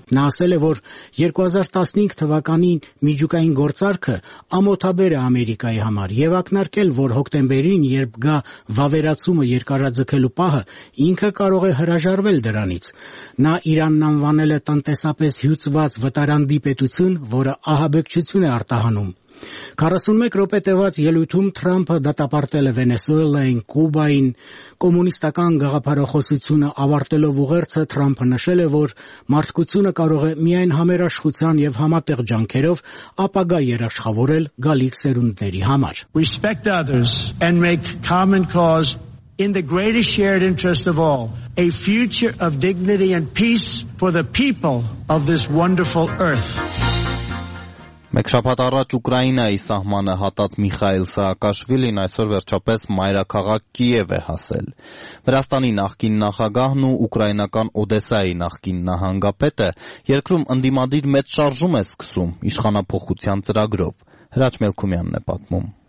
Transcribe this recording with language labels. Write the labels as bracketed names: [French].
[Armenian] Նա ասել է, որ 2015 թվականի միջուկային գործարքը ամոթաբեր է Ամերիկայի համար, եւ ակնարկել, որ հոկտեմբերին, երբ գա վավերացումը երկարաձգելու պահը, ինքը կարող է հրաժարվել դրանից։ Նա Իրանն անվանել է տնտեսապես հյուծված վտարանդի պետություն, որը ահաբեկչություն է արտահանում։ 41 րոպե տևած ելույթում Թրամփը դատապարտել է Վենեսուելային, Կուբային, կոմունիստական գաղափարախոսությունը ավարտելով ուղերձը Թրամփը նշել է, որ մարդկությունը կարող է միայն համերաշխության եւ համատեղ ջանքերով ապագա երաշխավորել գալիք սերունդների համար։ [English] Respect others and make common cause in the greatest shared interest of all, a future of dignity and peace for the people of this wonderful earth. [Armenian] Մեկ շաբաթ առաջ Ուկրաինայի սահմանը հատած Միխայել Սաակաշվիլին այսօր վերջապես մայրաքաղաք Կիև է հասել։ Վրաստանի նախկին նախագահն ու ուկրաինական Օդեսայի նախկին նահանգապետը երկրում ընդդիմադիր մեծ շարժում է սկսում իշխանապողության ծրագրով։ Հրաչ Մելքումյանն է պատմում։